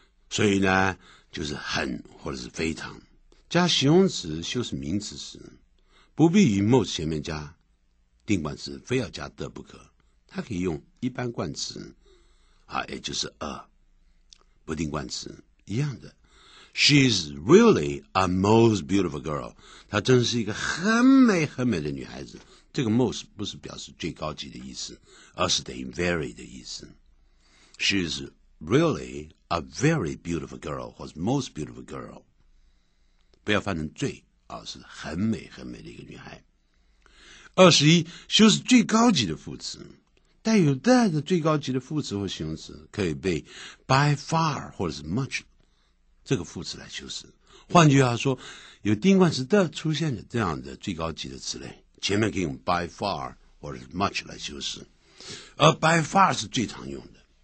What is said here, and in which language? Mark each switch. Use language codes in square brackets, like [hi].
[zh] 所以呢，就是很或者是非常，加形容词修饰名词时，不必于 most 前面加定冠词，非要加的不可。它可以用一般冠词，啊，也就是不定冠词一样的。 [en] She's really a most beautiful girl. [zh] 她真是一个很美很美的女孩子。这个 most 不是表示最高级的意思，而是等于 very 的意思。 [en] She's really a very beautiful girl, or most beautiful girl. [zh] 不要犯成罪啊，是很美很美的一个女孩。二十一，修饰最高级的副词，带有带的最高级的副词或形容词，可以被 by far 或者是 much 这个副词来修饰。换句话说，有定冠词的出现的这样的最高级的词类，前面可以用 by far 或者是 much 来修饰，而 by far 是最常用的。